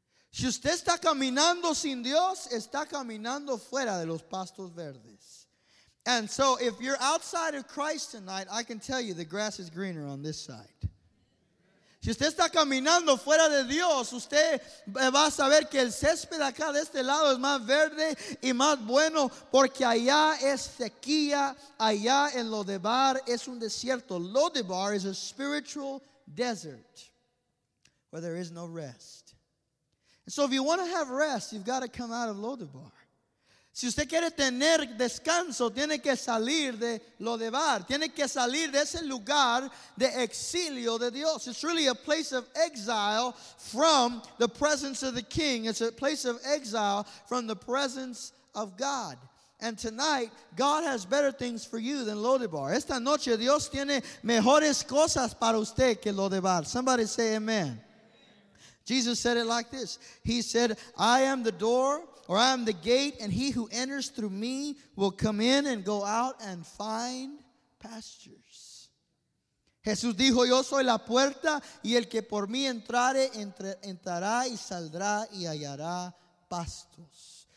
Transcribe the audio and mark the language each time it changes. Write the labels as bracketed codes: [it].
[es] Si usted está caminando sin Dios, está caminando fuera de los pastos verdes. [en] And so if you're outside of Christ tonight, I can tell you the grass is greener on this side. [es] Si usted está caminando fuera de Dios, usted va a saber que el césped acá de este lado es más verde y más bueno, porque allá es sequía, allá en Lodebar es un desierto. [en] Lodebar is a spiritual desert where there is no rest. And so if you want to have rest, you've got to come out of Lodebar. [es] Si usted quiere tener descanso, tiene que salir de Lodebar. Tiene que salir de ese lugar de exilio de Dios. [en] It's really a place of exile from the presence of the King. It's a place of exile from the presence of God. And tonight, God has better things for you than Lodebar. [es] Esta noche, Dios tiene mejores cosas para usted que Lodebar. [en] Somebody say amen. Jesus said it like this. He said, I am the door, or I am the gate, and he who enters through me will come in and go out and find pastures. [es] Jesús dijo, yo soy la puerta, y el que por mí entrare, entrará y saldrá y hallará pastos.